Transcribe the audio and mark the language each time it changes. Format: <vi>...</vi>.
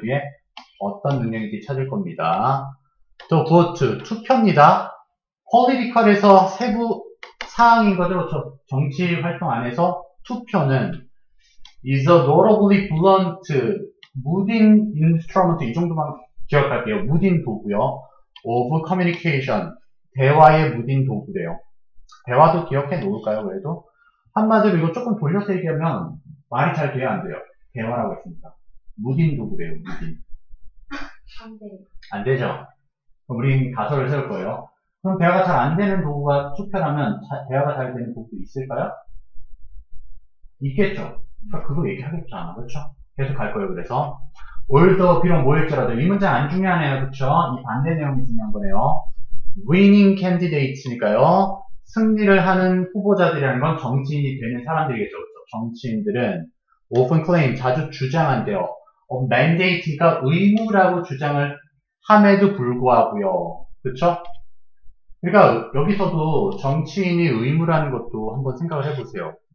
<ko>뒤에 어떤 능력인지 찾을 겁니다. 또 vote 투표입니다. Political에서 세부 사항인 거죠. 정치 활동 안에서 투표는 is a notably blunt, wooden instrument 이 정도만 기억할게요. wooden 도구요.</ko> <en>of communication 대화의 wooden 도구래요.</en> <ko>대화도 기억해 놓을까요? 그래도 한마디로 이거 조금 돌려서 얘기하면 말이 잘 돼야 안 돼요. 대화라고 했습니다. wooden 도구래요. wooden 안 되죠? 그럼 우린 가설을 세울 거예요. 그럼 대화가 잘안 되는 도구가 투표라면 대화가 잘 되는 도구도 있을까요? 있겠죠? 그거 얘기하겠지 않아? 그렇죠? 계속 갈 거예요. 그래서 올더 비록 모일지라도 이 문장 안 중요하네요. 그렇죠? 이 반대 내용이 중요한 거네요. winning candidates니까요. 승리를 하는 후보자들이라는 건 정치인이 되는 사람들이겠죠. 그렇죠? 정치인들은 often claim 자주 주장한대요. mandate니까 의무라고 주장을 함에도 불구하고요. 그렇죠? 그러니까 여기서도 정치인이 의무라는 것도 한번 생각을 해보세요.</ko>